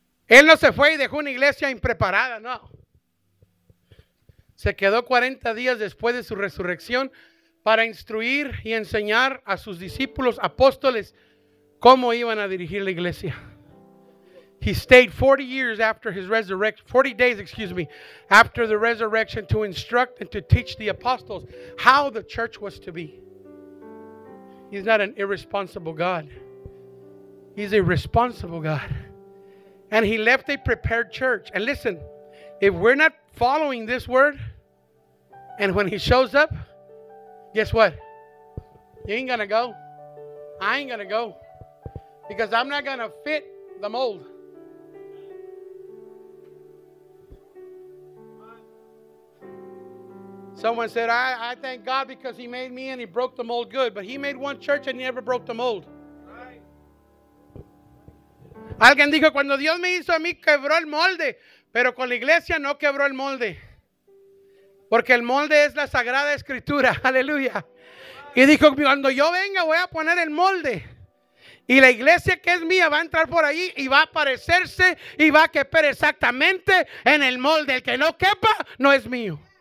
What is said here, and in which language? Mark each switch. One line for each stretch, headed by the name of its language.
Spanish: Él no se fue y dejó una iglesia impreparada, no. Se quedó 40 días después de su resurrección para instruir y enseñar a sus discípulos, apóstoles, ¿cómo iban a dirigir la iglesia?
English: He stayed 40 years after his resurrection, 40 days, excuse me, after the resurrection to instruct and to teach the apostles how the church was to be. He's not an irresponsible God. He's a responsible God. And he left a prepared church. And listen, If we're not following this word, and when he shows up, guess what? You ain't gonna go. I ain't gonna go. Because I'm not gonna fit the mold. Someone said, I thank God because he made me and he broke the mold good. But he made one church and he never broke the mold. Right.
Spanish: Alguien dijo, cuando Dios me hizo a mí, quebró el molde. Pero con la iglesia no quebró el molde. Porque el molde es la Sagrada Escritura. Aleluya. Y dijo, cuando yo venga, voy a poner el molde. Y la iglesia que es mía va a entrar por ahí y va a parecerse y va a quepar exactamente en el molde. El que no quepa, no es mío.